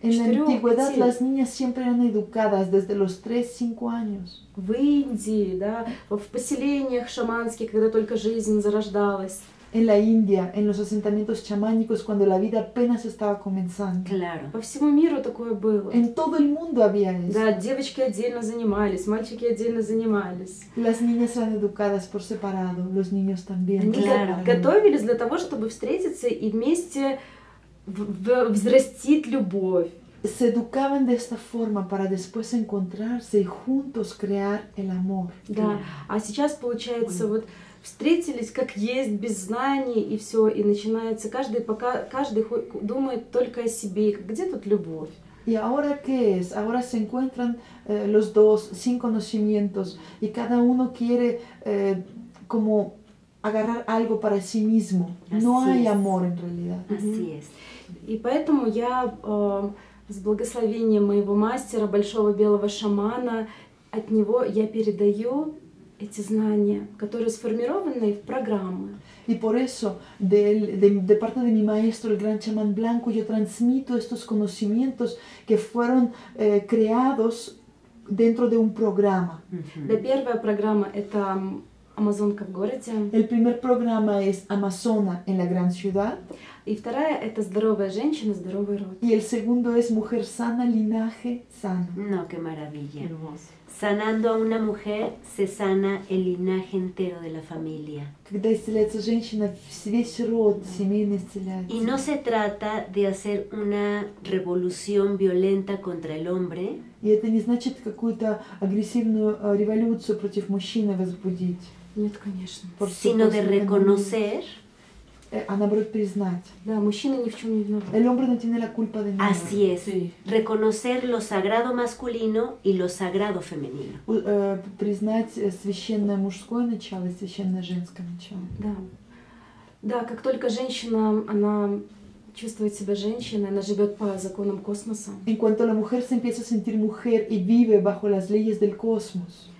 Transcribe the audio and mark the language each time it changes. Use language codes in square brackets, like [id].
[es] En la antigüedad las niñas siempre eran educadas desde los 3-5 años. [ru] В Индии, да, в поселениях шаманских, когда только жизнь зарождалась. [es] En la India, en los asentamientos chamánicos, cuando la vida apenas estaba comenzando. Claro. [ru] По всему миру такое было. [es] En todo el mundo había eso. [ru] Да, девочки отдельно занимались, мальчики отдельно занимались. [es] Las niñas eran educadas por separado, los niños también. Claro. [ru] Готовились для того, чтобы встретиться и вместе взрастить любовь. [es] Se educaban de esta forma para después encontrarse y juntos crear el amor. [ru] Да, а сейчас получается вот... Встретились как есть, без знаний, и все, и начинается, каждый думает только о себе, где тут любовь? [es] ¿Y ahora qué es? Ahora se encuentran los dos sin conocimientos, y cada uno quiere como agarrar algo para sí mismo. Así no es. Hay amor en realidad. Así es. [ru] Y поэтому я с благословением моего мастера, большого белого шамана, от него я передаю... Эти знания, которые сформированы в программы. [es] Y por eso, de parte de mi maestro, el gran chamán blanco, yo transmito estos conocimientos que fueron creados dentro de un programa. [ru] La первая программа — это Амазонка в городе. [es] El primer programa es Amazona en la gran ciudad. [ru] И вторая — это здоровая женщина, здоровый род. [es] Y el segundo es mujer sana, linaje sano. No, qué maravilla. Hermoso. Sanando a una mujer se sana el linaje entero de la familia. [ru] Когда исцеляется женщина, весь род семейный исцеляется. [es] Y no se trata de hacer una revolución violenta contra el hombre. [ru] И это не значит какую-то агрессивную революцию против мужчины возбудить. Нет, конечно. [es] Por sino de reconocer. [ru] А наоборот признать. Да, мужчина ни в чем не виноват. [es] El hombre no tiene la culpa de nada. Así es. Sí. Reconocer lo sagrado masculino y lo sagrado femenino. [ru] Признать священное мужское начало и священное женское начало. Да. Да, как только женщина, она чувствует себя женщиной, она живет по законам космоса. [es] En cuanto la mujer se empieza a sentir mujer y vive bajo las leyes del cosmos.